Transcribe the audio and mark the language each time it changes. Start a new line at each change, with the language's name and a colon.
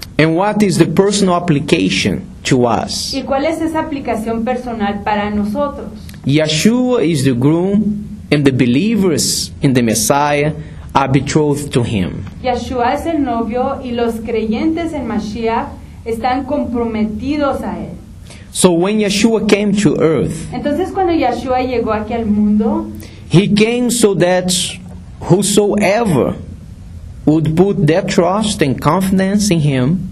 English: And what is the personal application to us?
Spanish: ¿Y cuál es esa aplicación personal para nosotros?
English: Yeshua is the groom. And the believers in the Messiah are betrothed to him.
Spanish: Yeshua es el novio y los creyentes en Mashiach están comprometidos a él.
English: So when Yeshua came to earth,
Spanish: entonces cuando Yeshua llegó aquí al mundo,
English: he came so that whosoever would put their trust and confidence in him,